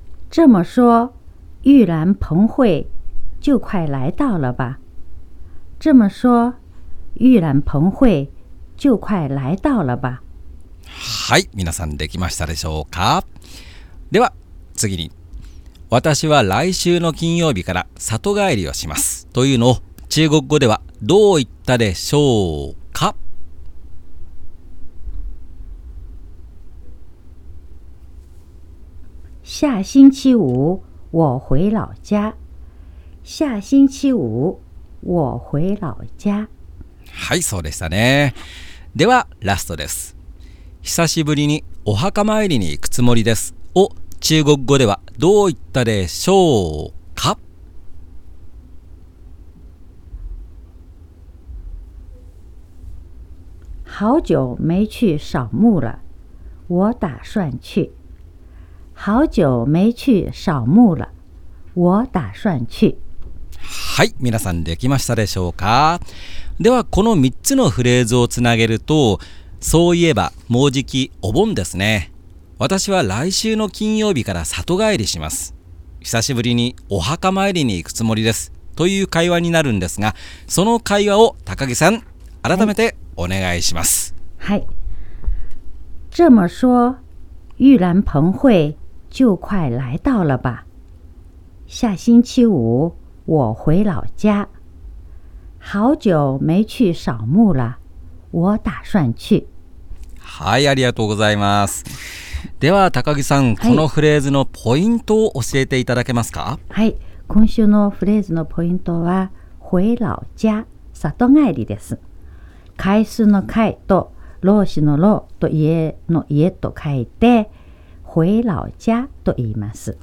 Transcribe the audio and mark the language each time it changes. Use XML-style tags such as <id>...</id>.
<zh>这么说玉兰盆会就快来到了吧。这么说玉兰盆会就快来到了吧。</zh> <ja>はい、皆さんできましたでしょうか？では次に、私は来週の金曜日から里帰りをしますというのを中国語ではどう言ったでしょうか？</ja> <zh>下星期五我回老家。下星期五我回老家。</zh> <ja>はい、そうでしたね。ではラストです。久しぶりにお墓参りに行くつもりですを中国語ではどう言ったでしょうか？</ja> <zh>好久没去扫墓了，我打算去。好久没去扫墓了，我打算去。</zh> <ja>はい、皆さんできましたでしょうか？ではこの3つのフレーズをつなげると、そういえばもうじきお盆ですね。私は来週の金曜日から里帰りします。久しぶりにお墓参りに行くつもりです。という会話になるんですが、その会話を高木さん、改めてお願いします。はい。</ja> <zh>这么说、玉兰盆会就快来到了吧。下星期五、我回老家。好久没去扫墓了、我打算去。</zh> <ja>はい、ありがとうございます。では高木さん、このフレーズのポイントを教えていただけますか？はい、今週のフレーズのポイントは回老家、里帰りです。回数の回と老子の老と家の家と書いて回老家と言います。</ja>